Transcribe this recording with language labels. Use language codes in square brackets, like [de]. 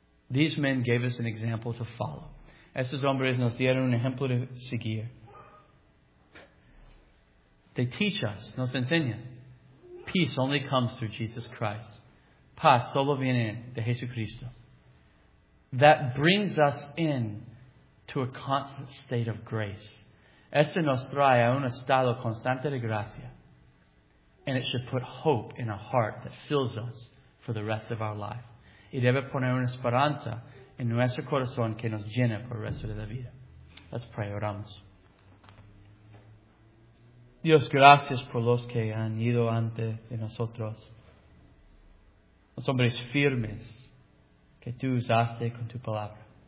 [en] These men gave us an example to follow. [es] Estos hombres nos dieron un ejemplo de seguir. [en] They teach us, [es] nos enseñan. [en] Peace only comes through Jesus Christ. [es] Paz solo viene de Jesucristo. [en] That brings us in to a constant state of grace. [es] Ese nos trae a un estado constante de gracia. [en] And it should put hope in a heart that fills us for the rest of our life. [es] Y debe poner una esperanza en nuestro corazón que nos llena por el resto de la vida. [en] Let's pray, [es] oramos. Dios, gracias por los que han ido antes de nosotros. Los hombres firmes que tú usaste con tu palabra.